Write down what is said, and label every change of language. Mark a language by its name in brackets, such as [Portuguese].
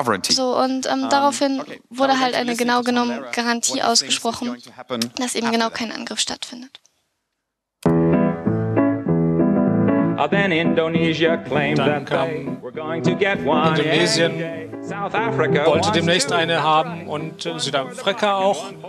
[German] So, und daraufhin wurde halt eine genau genommen Garantie ausgesprochen, dass eben genau kein Angriff stattfindet. [English] Then Indonesia claimed that we're going to get one. [German] Indonesien wollte demnächst eine haben und Südafrika auch.